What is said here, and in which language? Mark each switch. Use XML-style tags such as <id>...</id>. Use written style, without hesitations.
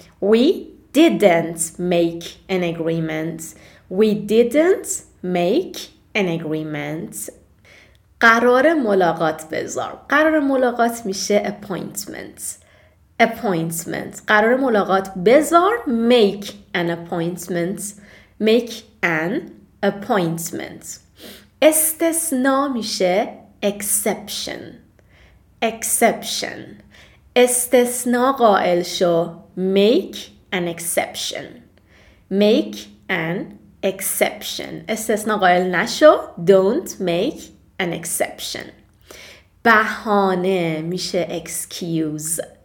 <en>We didn't make an agreement. We didn't make an agreement.</en> <fa>قرار ملاقات بذار. قرار ملاقات میشه appointment. appointment. قرار ملاقات بذار.</fa> <en>make an appointment. make an appointment.</en> <fa>استثناء میشه exception.</fa> <en>Exception.</en> <fa>استثناء قائل شو</fa> <en>make an exception. Make an exception.</en> <fa>استثناء قائل نشو</fa> <en>don't make an exception.</en> <fa>بهانه میشه excuse.</fa>